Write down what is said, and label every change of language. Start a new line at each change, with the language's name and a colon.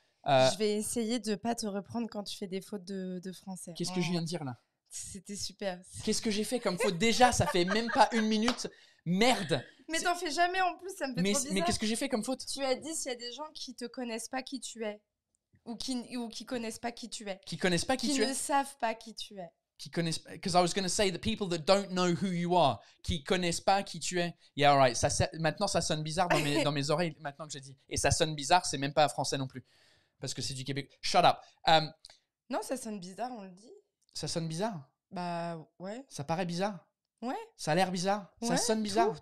French: Je vais essayer de pas te reprendre quand tu fais des fautes de français. Qu'est-ce que je viens de dire là? C'était super. Qu'est-ce que j'ai fait comme faute? Déjà, ça fait même pas une minute. Merde. Mais t'en fais jamais en plus, ça me fait trop bizarre. Mais qu'est-ce que j'ai fait comme faute? Tu as dit s'il y a des gens qui te connaissent pas qui tu es. Ou qui connaissent pas qui tu es. Qui connaissent pas qui tu es. Qui ne savent pas qui tu es. Qui connaissent pas.
English: Because I was going to say the people that don't know who you are.
French: Qui connaissent pas qui tu es.
English: Yeah, all right.
French: Maintenant, ça sonne bizarre dans mes oreilles, maintenant que j'ai dit. Et ça sonne bizarre, c'est même pas français non plus. Parce que c'est du Québec.
English: Shut up.
French: Non, ça sonne bizarre, on le dit. Ça sonne bizarre? Bah, ouais. Ça paraît bizarre? Ouais. Ça a l'air bizarre? Ouais, ça sonne bizarre?